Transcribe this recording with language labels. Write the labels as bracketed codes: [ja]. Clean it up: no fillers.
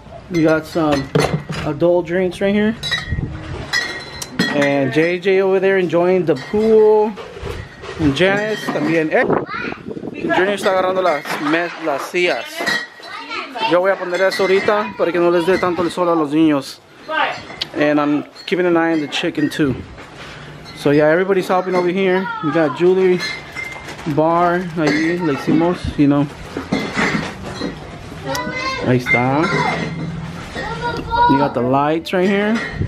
[en] We got some adult drinks right here. And JJ over there enjoying the pool. And Janice [es] también. Junior está agarrando las sillas. Yo voy a poner eso ahorita para que no les dé tanto el sol a los niños. [en] And I'm keeping an eye on the chicken too. So yeah, everybody's helping over here. We got Julie Bar [es] ahí, le hicimos, [en] you know. [es] Ahí está. [en] You got the lights right here.